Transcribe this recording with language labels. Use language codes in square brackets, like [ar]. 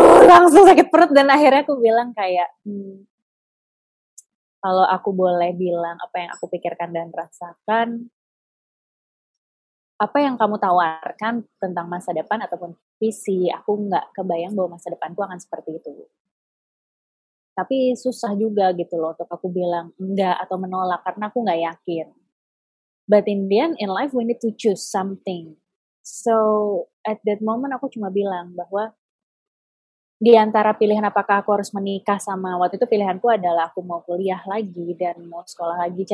[id] Langsung sakit perut dan akhirnya aku bilang kayak kalau aku boleh bilang apa yang aku pikirkan dan rasakan. Apa yang kamu tawarkan tentang masa depan ataupun visi, aku gak kebayang bahwa masa depanku akan seperti itu. Tapi susah juga gitu loh untuk aku bilang enggak atau menolak karena aku gak yakin. [en] But in the end, in life we need to choose something. So at that moment [id] aku cuma bilang bahwa di antara pilihan apakah aku harus menikah sama, waktu itu pilihanku adalah aku mau kuliah lagi dan mau sekolah lagi.